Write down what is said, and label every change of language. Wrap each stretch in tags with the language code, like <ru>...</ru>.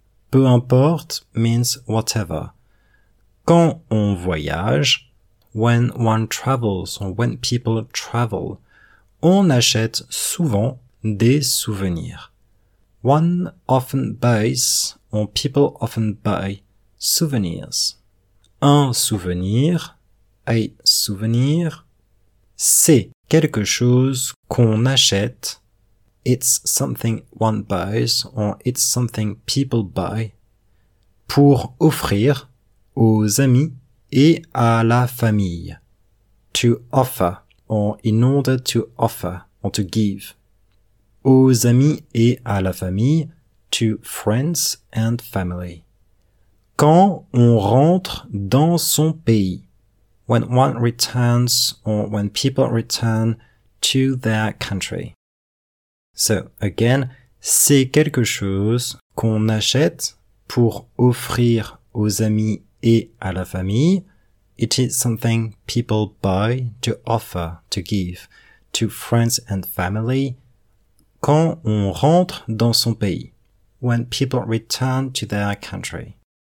<fr>Peu importe means whatever. Quand on voyage,</fr> <en>when one travels or when people travel,</en> <fr>on achète souvent des souvenirs.</fr> <en>One often buys or people often buy souvenirs.</en> <fr>Un souvenir,</fr> <en>a souvenir,</en> <fr>c'est quelque chose qu'on achète.</fr> <en>It's something one buys or it's something people buy</en> <fr>pour offrir aux amis et à la famille.</fr> <en>To offer or in order to offer or to give.</en> <fr>Aux amis et à la famille,</fr> <en>to friends and family.</en> <fr>Quand on rentre dans son pays.</fr> <en>When one returns or when people return to their country.</en> <fr>So again, c'est quelque chose qu'on achète pour offrir aux amis et à la famille.</fr> <en>It is something people buy to offer, to give to friends and family.</en> <fr>Quand on rentre dans son pays.</fr> <en>When people return to their country.</en>